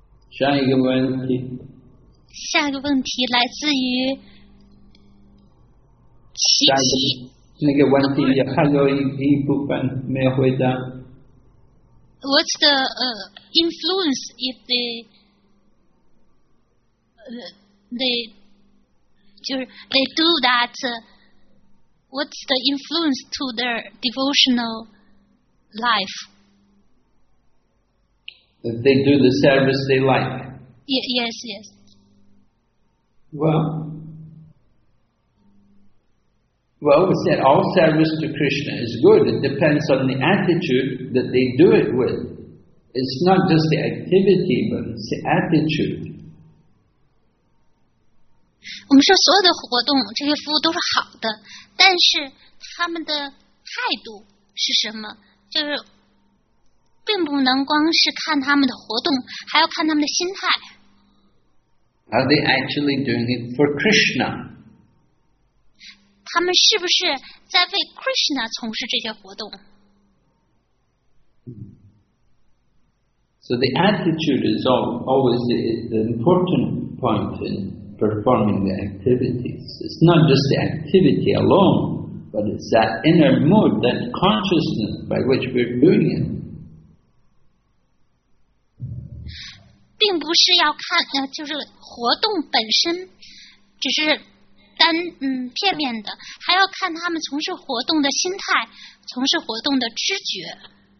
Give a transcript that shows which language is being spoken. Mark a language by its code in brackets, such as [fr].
[zh] 下一个问题。下一个问题来自于琪琪。那个问题也还有一部分没有回答。 [en] What's the influence if they they do that? What's the influence to their devotional life? If they do the service they like. Yes. Well, we said all service to Krishna is good. It depends on the attitude that they do it with. It's not just the activity, but it's the attitude. [zh] 我们说所有的活动，这些服务都是好的，但是他们的态度是什么？就是并不能光是看他们的活动，还要看他们的心态。 [en] Are they actually doing it for Krishna? [zh] 他们是不是在为 Krishna 从事这些活动？ [en] So the attitude is always the important point in performing the activities. It's not just the activity alone, but it's that inner mood, that consciousness by which we're doing it. [zh] 并不是要看，就是活动本身，只是单片面的，还要看他们从事活动的心态，从事活动的知觉。